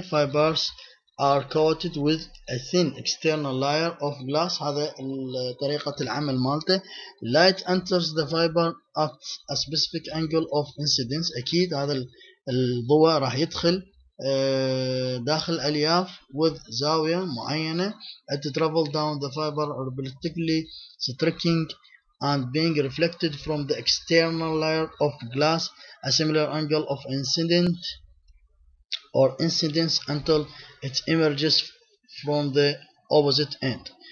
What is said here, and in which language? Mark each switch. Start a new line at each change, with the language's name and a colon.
English: Fibers are coated with a thin external layer of glass.
Arabic: هذا طريقه العمل مالته.
English: Light enters the fiber at a specific angle of incidence.
Arabic: اكيد هذا الضوء راح يدخل داخل الياف with زاويه معينه.
English: It travels down the fiber obliquely striking and being reflected from the external layer of glass a similar angle of incident or incidence until it emerges from the opposite end.